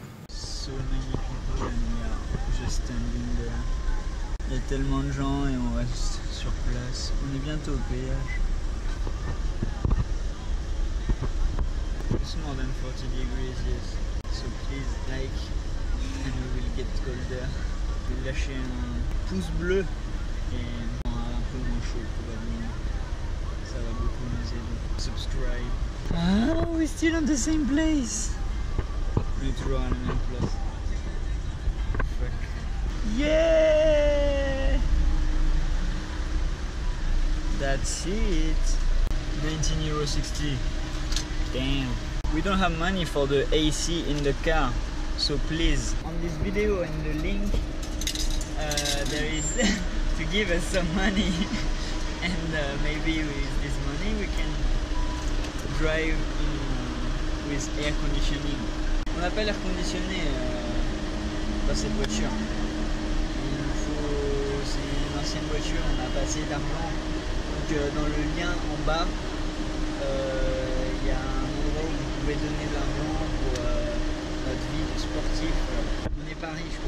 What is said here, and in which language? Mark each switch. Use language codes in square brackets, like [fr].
[en] So many people and we are just standing there. [fr] Il y a tellement de gens et on reste sur place. On est bientôt au péage. [en] More than 40 degrees, yes. So please like and we will get colder. [fr] Je vais lâcher un pouce bleu et on aura un peu moins chaud probablement. Ça va beaucoup nous aider. [en] Subscribe. Oh, we're still on the same place. We're [fr] toujours à la même place. [en] Fuck. Yeah! That's it. 19,60 €. Damn. We don't have money for the AC in the car, so please. On this video and the link, there is to give us some money. And maybe with this money we can drive in, with air conditioning. [fr] On n'a pas l'air conditionné dans cette voiture. C'est une ancienne voiture, on a pas assez d'argent. Donc dans le lien en bas, je vais donner de l'argent pour notre vie de sportif. On n'est pas riche quoi.